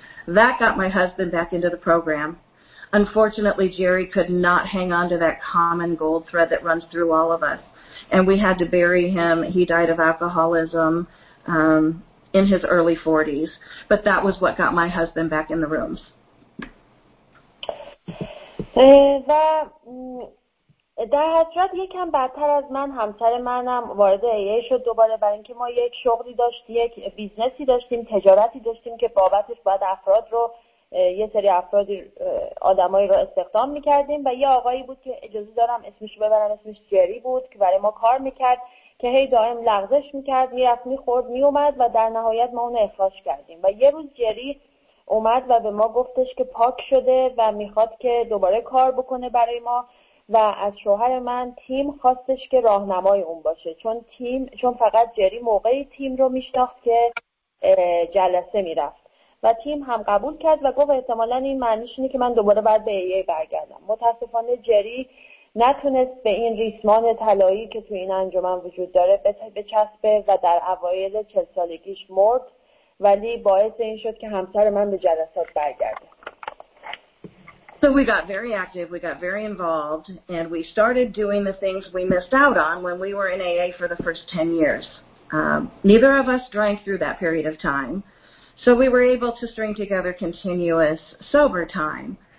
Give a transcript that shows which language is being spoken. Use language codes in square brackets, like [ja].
[en] That got my husband back into the program. Unfortunately, Jerry could not hang on to that common gold thread that runs through all of us. And we had to bury him. He died of alcoholism in his early 40s. But that was what got my husband back in the rooms. [fa] و در حضرت یکم بدتر از من همسر منم وارد ایه شد دوباره، برای اینکه ما یک شغلی داشتیم، یک بیزنسی داشتیم، تجارتی داشتیم که بابتش باید افراد رو یه سری افراد آدمایی رو استخدام میکردیم و یه آقایی بود که اجازه دارم اسمش رو ببرم، اسمش جری بود که برای ما کار میکرد که هی دائم لغزش میکرد، میرفت میخورد میومد و در نهایت ما اون رو اخراج کردیم. و یه روز جری اومد و به ما گفتش که پاک شده و میخواد که دوباره کار بکنه برای ما و از شوهر من تیم خواستش که راهنمای اون باشه، چون فقط جری موقعی تیم رو میشناخت که جلسه میرفت و تیم هم قبول کرد و گفت احتمالاً این معنیش اینه که من دوباره باید به ایه برگردم. متاسفانه جری نتونست به این ریسمان طلایی که تو این انجمن وجود داره بچسبه و در اوایل 40 سالگیش مرد، ولی باعث این شد که همسر من به جلسات برگرده. [en] So we got very active, we got very involved, and we started doing the things we missed out on when we were in AA for the first 10 years. Neither of us drank through that period of time, so we were able to string together continuous sober time.